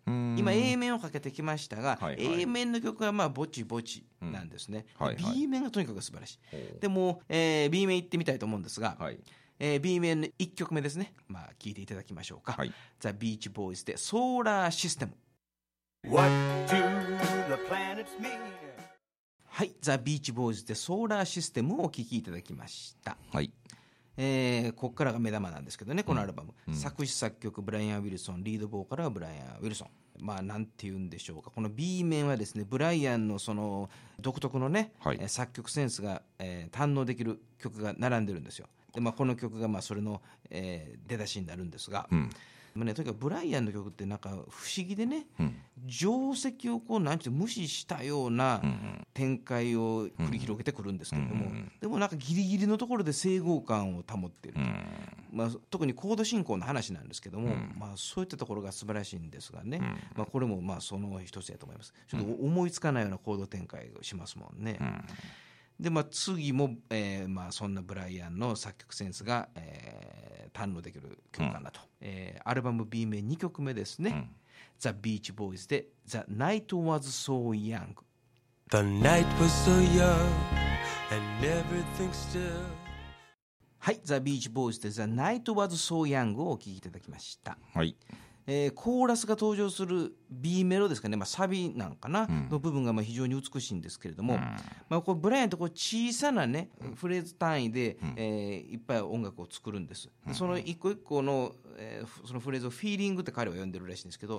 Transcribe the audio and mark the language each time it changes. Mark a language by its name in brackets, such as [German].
[Japanese] 今 A 面をかけてきましたが、はいはい、 A 面の曲はまあぼちぼちなんですね、うんはいはい、で B 面がとにかく素晴らしい。でも、B 面行ってみたいと思うんですが、はい、 B 面の1曲目ですね、まあ、聞いていただきましょうか、はい、 The Beach Boys でソーラーシステム。 [English] What do the planets mean? [Japanese] はい、ザ・ビーチボーイズでソーラーシステムをお聴きいただきました、はい、こっからが目玉なんですけどね、このアルバム、うん、作詞作曲ブライアン・ウィルソン、リードボーカルはブライアン・ウィルソン、まあなんて言うんでしょうか、この B 面はですねブライアンのその独特のね、はい、作曲センスが、堪能できる曲が並んでるんですよ。で、まあ、この曲がまあそれの、出だしになるんですが、うん、まあね、とにかくブライアンの曲ってなんか不思議でね、うん、定石をこうなんていう無視したような展開を繰り広げてくるんですけども、うん、でもなんかギリギリのところで整合感を保ってると、うん、まあ、特にコード進行の話なんですけども、うん、まあ、そういったところが素晴らしいんですがね、うん、まあ、これもまあその一つだと思います。ちょっと思いつかないようなコード展開をしますもんね、うん、でまあ次も、まあそんなブライアンの作曲センスが、堪能できる曲かなと、うん、アルバム B 面2曲目ですね、うん、The Beach Boys で The Night Was So Young。 [English] The night was so young and everything still。 [Japanese] はい、 The Beach Boys で The Night Was So Young をお聴きいただきました、はい、コーラスが登場する B メロですかね、まあ、サビなんかな、うん、の部分がまあ非常に美しいんですけれども、うん、まあ、こうブライアンってこう小さな、ね、フレーズ単位で、うん、いっぱい音楽を作るんです、うん、その一個一個の、そのフレーズをフィーリングって彼は呼んでるらしいんですけど、